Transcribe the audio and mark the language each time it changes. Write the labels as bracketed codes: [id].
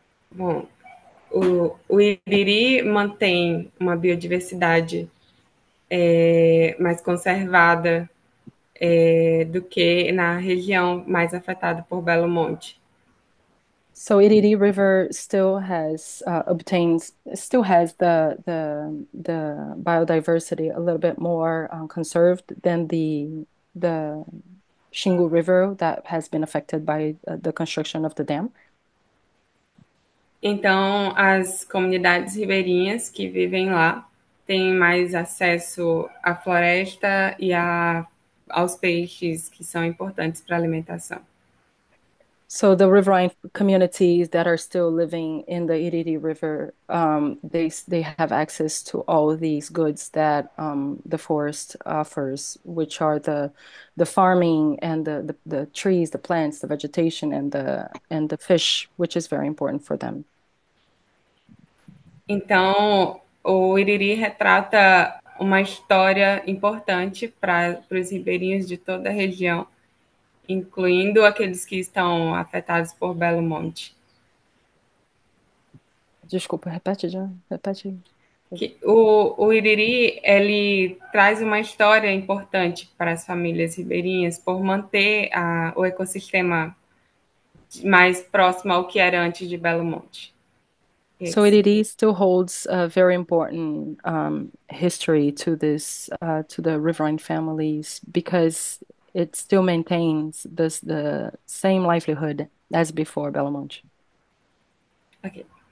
[pt] Bom, o Iriri mantém uma biodiversidade mais conservada do que na região mais afetada por Belo Monte. [en] So Iriri River still has obtains still has the biodiversity a little bit more conserved than the Xingu River that has been affected by the construction of the dam. [pt] Então, as comunidades ribeirinhas que vivem lá têm mais acesso à floresta e aos peixes que são importantes para a alimentação. [en] So the riverine communities that are still living in the Iriri River, they have access to all these goods that the forest offers, which are the farming and the trees, the plants, the vegetation, and the fish, which is very important for them. [pt] Então, o Iriri retrata uma história importante para os ribeirinhos de toda a região, incluindo aqueles que estão afetados por Belo Monte. Desculpa, repete já, repete. Que o Iriri, ele traz uma história importante para as famílias ribeirinhas por manter o ecossistema mais próximo ao que era antes de Belo Monte. [en] So [pt] Esse. [en] Iriri still holds a very important history to this to the riverine families because it still maintains this the same livelihood as before Belo Monte. Okay.